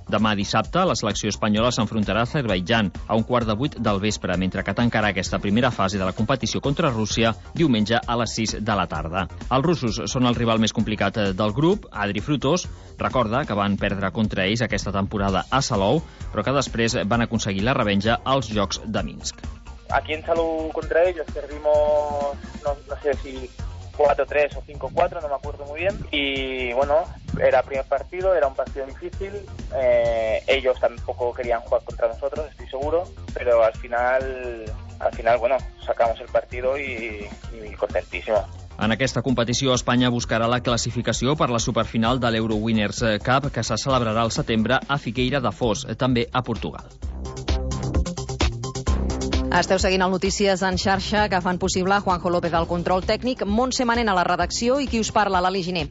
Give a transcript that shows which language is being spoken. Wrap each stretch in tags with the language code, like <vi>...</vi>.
<ca>Demà dissabte, la selecció espanyola s'enfrontarà a Azerbaidjan a 7:15 del vespre, mentre que tancarà aquesta primera fase de la competició contra Rússia diumenge a 6:00 PM. Els russos són el rival més complicat del grup. Adri Frutós recorda que van perdre contra ells aquesta temporada a Salou, però que després van aconseguir la revenja als Jocs de Minsk.</ca> <es>Aquí en Salou contra ellos perdimos, no sé si 4-3 o 5-4, no me acuerdo muy bien. Y bueno, era primer partido, era un partido difícil. Ellos tampoco querían jugar contra nosotros, estoy seguro. Pero al final, bueno, sacamos el partido y contentísimo.</es> <ca>En aquesta competició, Espanya buscarà la classificació per la superfinal de l'Euro Winners Cup, que se celebrarà al setembre a Figueira da Foz, també a Portugal. Esteu seguint el Notícies en Xarxa, que fan possible Juanjo López al control tècnic, Montse Manent a la redacció i qui us parla, l'Ali Giné.</ca>